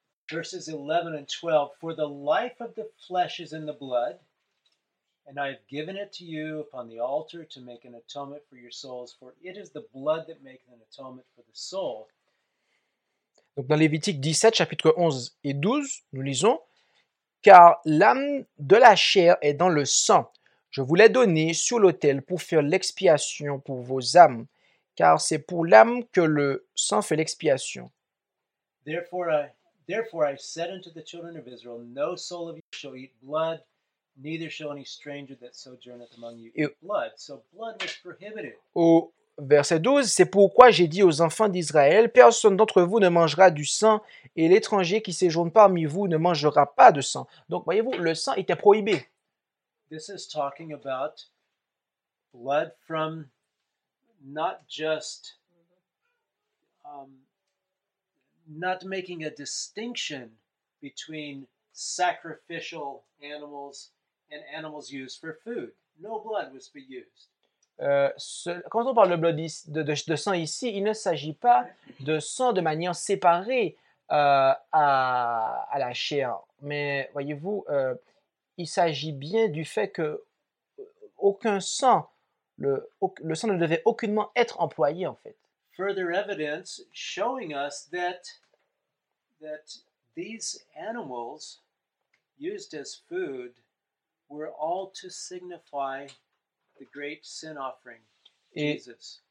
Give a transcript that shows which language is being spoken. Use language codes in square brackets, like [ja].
[en] Verses 11 and 12, for the life of the flesh is in the blood, and I have given it to you upon the altar to make an atonement for your souls, for it is the blood that makes an atonement for the soul. [fr] Donc dans Lévitique 17, chapitre 11 et 12, nous lisons, car l'âme de la chair est dans le sang. Je vous l'ai donné sur l'autel pour faire l'expiation pour vos âmes, car c'est pour l'âme que le sang fait l'expiation. [en] Therefore I said unto the children of Israel, no soul of you shall eat blood, neither shall any stranger that sojourneth among you eat blood. So blood was prohibited. [fr] Au Verset 12, c'est pourquoi j'ai dit aux enfants d'Israël, personne d'entre vous ne mangera du sang et l'étranger qui séjourne parmi vous ne mangera pas de sang. Donc voyez-vous, le sang était prohibé. [en] This is talking about blood from not just not making a distinction between sacrificial animals and animals used for food. No blood was to be used. [fr] Quand on parle de, blood, de sang ici, il ne s'agit pas de sang de manière séparée à la chair. Mais voyez-vous, il s'agit bien du fait que aucun sang, le sang ne devait aucunement être employé en fait. [en] Further evidence showing us that these animals used as food were all to signify the great sin offering, Jesus.